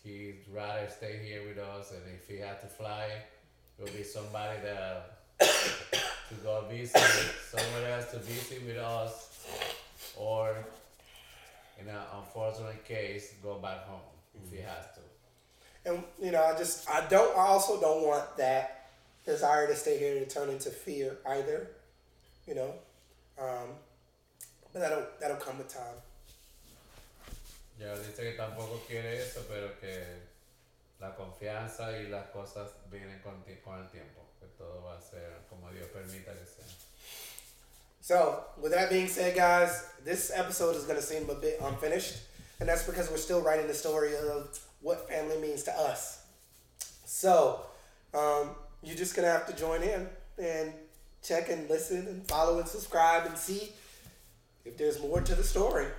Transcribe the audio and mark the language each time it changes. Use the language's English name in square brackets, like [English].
[English] he'd rather stay here with us, and if he had to fly, it would be somebody that to go visit, somewhere else to visit with us, or in an unfortunate case, go back home if he has to. And, you know, I also don't want that desire to stay here to turn into fear either, you know. But that'll come with time. [Spanish] Ya dice que tampoco quiere eso, pero que la confianza y las cosas vienen con el tiempo. Que todo va a ser como Dios permita que sea. [English] So, with that being said, guys, this episode is going to seem a bit unfinished. And that's because we're still writing the story of what family means to us. So, you're just going to have to join in and check and listen and follow and subscribe and see if there's more to the story.